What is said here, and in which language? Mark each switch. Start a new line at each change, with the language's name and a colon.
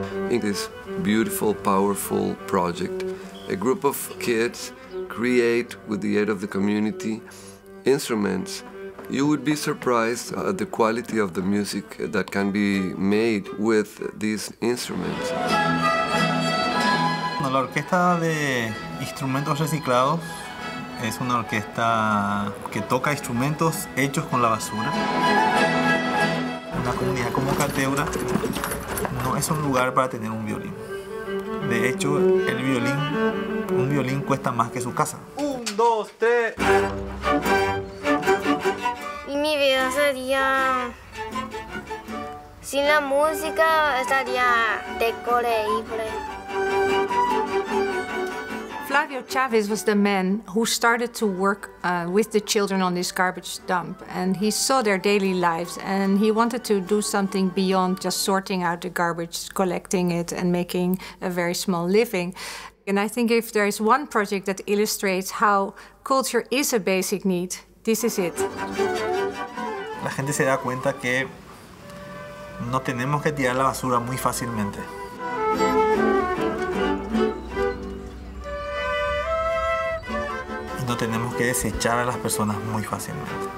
English: In this beautiful, powerful project, a group of kids create, with the aid of the community, instruments. You would be surprised at the quality of the music that can be made with these instruments.
Spanish: La orquesta de instrumentos reciclados es una orquesta que toca instrumentos hechos con la basura. Una comunidad como Cateura no es un lugar para tener un violín. De hecho, el violín, un violín cuesta más que su casa. Un, dos, tres. Y mi vida sería... Sin la música estaría decoreible.
English: Flavio Chavez was the man who started to work with the children on this garbage dump, and he saw their daily lives and he wanted to do something beyond just sorting out the garbage, collecting it and making a very small living. And I think if there is one project that illustrates how culture is a basic need, this is it.
Spanish: La gente se da cuenta que no tenemos que tirar la basura muy fácilmente. No tenemos que desechar a las personas muy fácilmente.